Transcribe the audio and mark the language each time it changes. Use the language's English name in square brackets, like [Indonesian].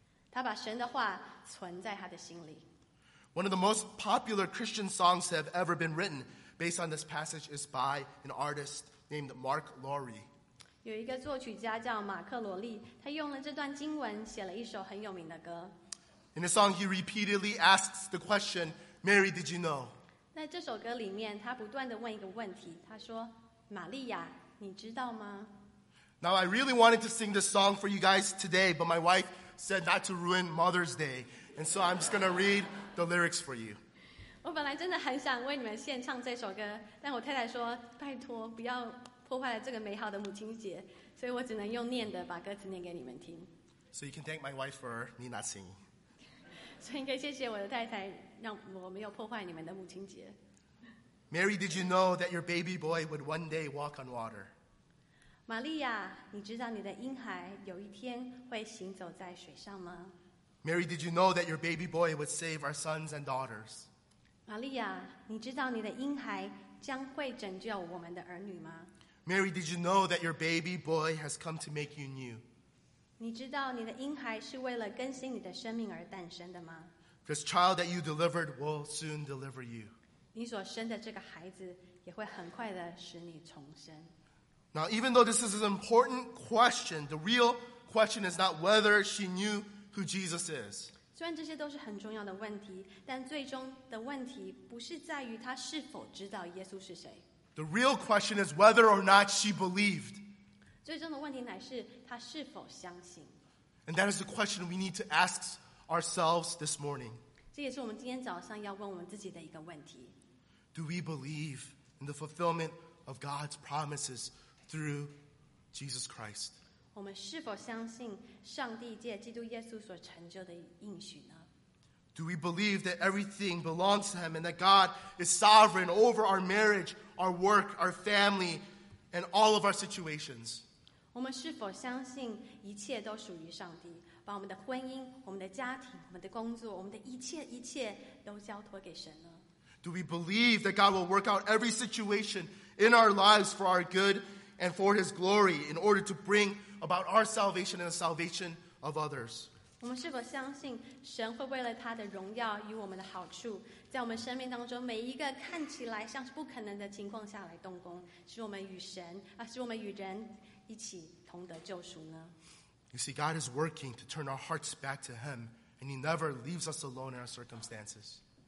[Chinese] 她把神的话存在她的心里。 [English] One of the most popular Christian songs that have ever been written based on this passage is by an artist named Mark Laurie. [Chinese] 有一个作曲家叫马克·罗利，他用了这段经文写了一首很有名的歌。 [English] In the song, he repeatedly asks the question, Mary, did you know? [Chinese] 在这首歌里面，他不断地问一个问题，他说，玛利亚，你知道吗？ [English] Now, I really wanted to sing this song for you guys today, but my wife said not to ruin Mother's Day. And so I'm just going to read the lyrics for you. [Chinese] 我本来真的很想为你们献唱这首歌，但我太太说，拜托，不要破坏了这个美好的母亲节，所以我只能用念的把歌词念给你们听。 [English] So you can thank my wife for me not singing. [Chinese] 所以你可以谢谢我的太太，让我没有破坏你们的母亲节。 [English] Mary, did you know that your baby boy would one day walk on water? [Chinese] 玛利亚，你知道你的婴孩有一天会行走在水上吗？ [English] Mary, did you know that your baby boy would save our sons and daughters? [Chinese] 玛利亚，你知道你的婴孩将会拯救我们的儿女吗？ [English] Mary, did you know that your baby boy has come to make you new? [Chinese] 你知道你的婴孩是为了更新你的生命而诞生的吗？ [English] This child that you delivered will soon deliver you. [Chinese] 你所生的这个孩子也会很快地使你重生。 [English] Now, even though this is an important question, the real question is not whether she knew who Jesus is. [Chinese] 虽然这些都是很重要的问题，但最终的问题不是在于她是否知道耶稣是谁。 [English] The real question is whether or not she believed. [Chinese] 最终的问题乃是她是否相信。 [English] And that is the question we need to ask ourselves this morning. [Chinese] 这也是我们今天早上要问我们自己的一个问题。 [English] Do we believe in the fulfillment of God's promises? Through Jesus Christ. [Chinese] 我们是否相信上帝借基督耶稣所成就的应许呢？ [English] Do we believe that everything belongs to him and that God is sovereign over our marriage, our work, our family, and all of our situations? [Chinese] 我们是否相信一切都属于上帝，把我们的婚姻、我们的家庭、我们的工作、我们的一切一切都交托给神呢？ [English] Do we believe that God will work out every situation in our lives for our good? And for his glory, in order to bring about our salvation and the salvation of others. [Chinese] 我们是否相信神会为了他的荣耀与我们的好处，在我们生命当中每一个看起来像是不可能的情况下来动工，使我们与神啊，使我们与人一起同得救赎呢？ [English] You see, God is working to turn our hearts back to Him, and He never leaves us alone in our circumstances.